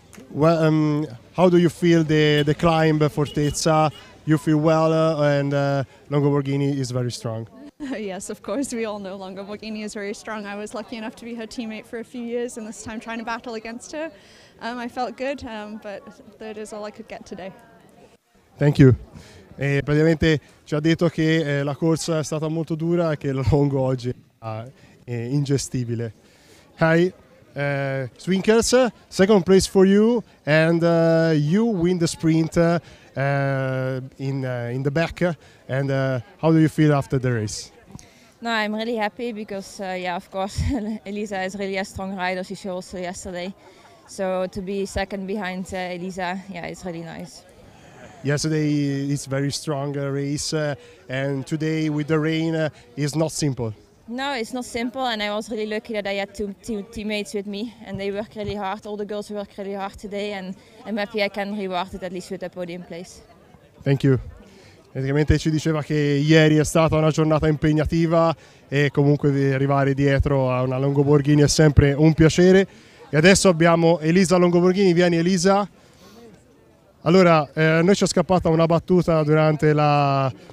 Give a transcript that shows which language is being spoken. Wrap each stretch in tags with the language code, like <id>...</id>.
<en>Well, how do you feel the climb Fortezza? You feel well and Longoborghini is very strong. Yes, of course, we all know Longoborghini is very strong. I was lucky enough to be her teammate for a few years, and this time trying to battle against her, I felt good, but third is all I could get today. Thank you.</en> <it>E praticamente ci ha detto che la corsa è stata molto dura e che il Longo oggi è ingestibile.</it> <en>Hi, Swinkels, second place for you, and you win the sprint in the back, and how do you feel after the race? No, I'm really happy because, yeah, of course, Elisa is really a strong rider, she showed also yesterday, so to be second behind Elisa, yeah, it's really nice. Yesterday it's very strong race, and today with the rain is not simple. No, it's not simple, and I was really lucky that I had two teammates with me, and they work really hard. All the girls work really hard today, and I'm happy I can reward it at least with a podium place. Thank you.</en> <it>Praticamente ci diceva che ieri è stata una giornata impegnativa, e comunque arrivare dietro a una Longoborghini è sempre un piacere. E adesso abbiamo Elisa Longoborghini. Vieni, Elisa. Allora, noi ci è scappata una battuta durante la,</it>